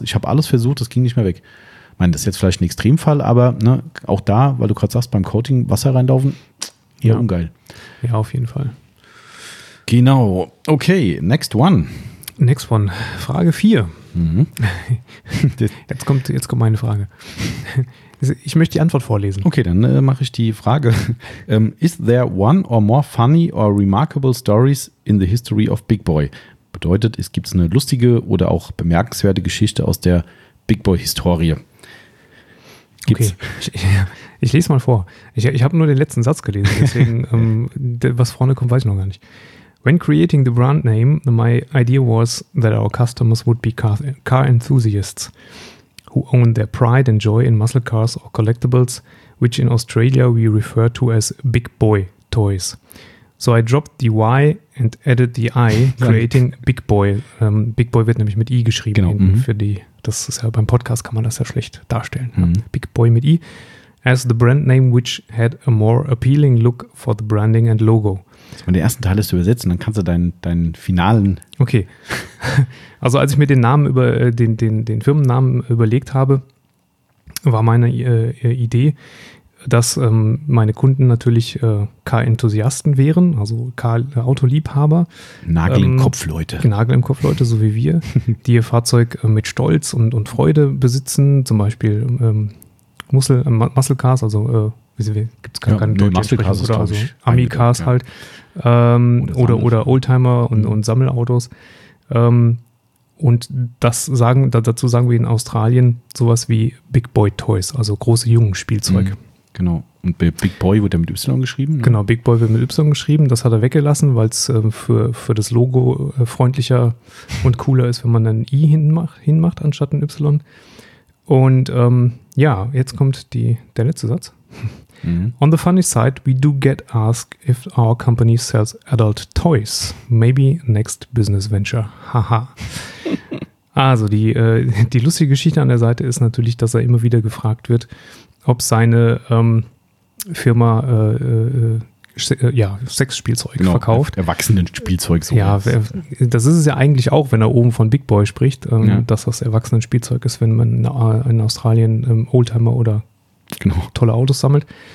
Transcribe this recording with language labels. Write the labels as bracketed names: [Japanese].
[German] Ich habe alles versucht, das ging nicht mehr weg. Ich meine, das ist jetzt vielleicht ein Extremfall, aber ne, auch da, weil du gerade sagst, beim Coating Wasser reinlaufen, eher ungeil. Ja, auf jeden Fall. Genau. [English] Okay, next one. Next one. [German] Frage 4. [English] Mhm. [German] Jetzt kommt meine Frage. Ich möchte die Antwort vorlesen. Okay, dann mache ich die Frage. [English] Is there one or more funny or remarkable stories in the history of Big Boy? [German] Bedeutet, es gibt eine lustige oder auch bemerkenswerte Geschichte aus der Big Boy-Historie. Gibt's? Okay, ich lese mal vor. Ich habe nur den letzten Satz gelesen, deswegen, was vorne kommt, weiß ich noch gar nicht. [English] When creating the brand name, my idea was that our customers would be car enthusiasts who own their pride and joy in muscle cars or collectibles, which in Australia we refer to as big boy toys. So I dropped the Y and added the I, creating big boy. [German] Big boy wird nämlich mit I geschrieben. Genau. Das ist ja beim Podcast, kann man das ja schlecht darstellen. Mhm. Big boy mit I. [English] As the brand name, which had a more appealing look for the branding and logo. [German] Wenn der ersten Teil ist übersetzen, dann kannst du deinen finalen. Okay. Also als ich mir den Namen über den Firmennamen überlegt habe, war meine Idee, dass meine Kunden natürlich Car-Enthusiasten wären, also Car-Autoliebhaber. Nagel im Kopf, Leute. Nagel im Kopf, Leute, so wie wir, die ihr Fahrzeug mit Stolz und Freude besitzen, zum Beispiel Muscle Cars, also gibt es keine Deutschsprache, oder also Ami-Cars halt, oder Oldtimer und Sammelautos. Und dazu sagen wir in Australien sowas wie Big Boy Toys, also große Jungen-Spielzeug. Mhm, genau. Und Big Boy wird ja mit Y geschrieben? Ne? Genau, Big Boy wird mit Y geschrieben. Das hat er weggelassen, weil es für das Logo freundlicher und cooler ist, wenn man ein I hinmacht anstatt ein Y. Und jetzt kommt der letzte Satz. Mm-hmm. [English] On the funny side, we do get asked if our company sells adult toys. Maybe next business venture. Haha. [German] Also die lustige Geschichte an der Seite ist natürlich, dass er immer wieder gefragt wird, ob seine Firma Sex Spielzeug genau, verkauft. Erwachsenen-Spielzeug. So ja, das ist es ja eigentlich auch, wenn er oben von Big Boy spricht, dass das Erwachsenen-Spielzeug ist, wenn man in Australien Oldtimer oder tolle Autos sammelt.